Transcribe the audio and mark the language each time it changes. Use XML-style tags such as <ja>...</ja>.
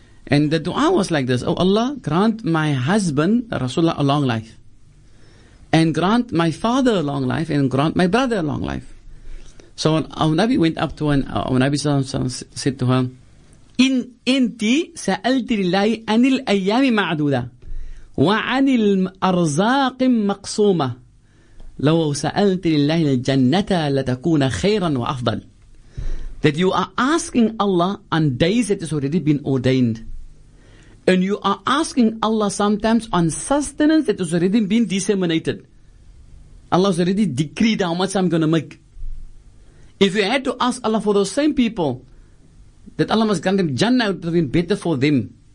<en>And the dua was like this, oh Allah, grant my husband, Rasulullah, a long life. And grant my father a long life, and grant my brother a long life. So our Nabi went up to our Nabi said to her,</en> <ar>إن أنت سألت لله عن الأيام معدودة وعن الأرزاق مقصومة لو سألت لله الجنة لتكون خيرا وأفضل.</ar> <en>that you are asking Allah on days that has already been ordained. And you are asking Allah sometimes on sustenance that has already been disseminated. Allah has already decreed how much I'm going to make. If you had to ask Allah for those same people, that Allah must grant them Jannah, it would have been better for them.</en>